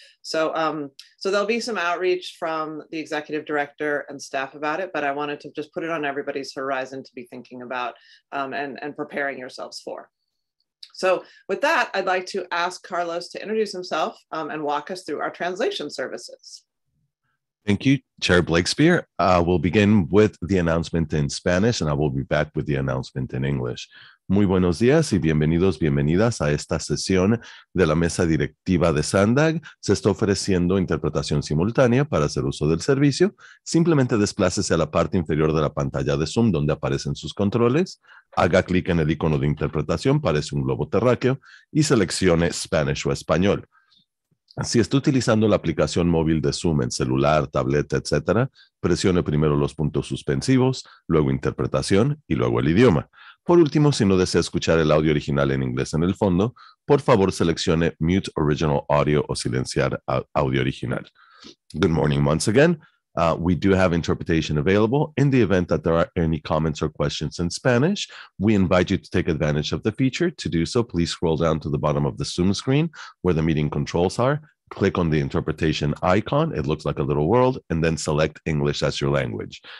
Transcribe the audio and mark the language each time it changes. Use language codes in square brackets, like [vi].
[en] So there'll be some outreach from the executive director and staff about it, but I wanted to just put it on everybody's horizon to be thinking about and preparing yourselves for. So with that, I'd like to ask Carlos to introduce himself and walk us through our translation services. Thank you, Chair Blakespear. We'll begin with the announcement in Spanish, and I will be back with the announcement in English. [es] Muy buenos días y bienvenidos, bienvenidas a esta sesión de la mesa directiva de SANDAG. Se está ofreciendo interpretación simultánea para hacer uso del servicio. Simplemente desplácese a la parte inferior de la pantalla de Zoom donde aparecen sus controles. Haga clic en el icono de interpretación, parece un globo terráqueo, y seleccione Spanish o Español. Si está utilizando la aplicación móvil de Zoom en celular, tableta, etc., presione primero los puntos suspensivos, luego interpretación y luego el idioma. Por último, si no desea escuchar el audio original en inglés en el fondo, por favor seleccione [en] Mute Original Audio [es] o silenciar audio original. [en] Good morning once again. We do have interpretation available. In the event that there are any comments or questions in Spanish, we invite you to take advantage of the feature. To do so, please scroll down to the bottom of the Zoom screen where the meeting controls are. Click on the interpretation icon. It looks like a little world, and then select English as your language.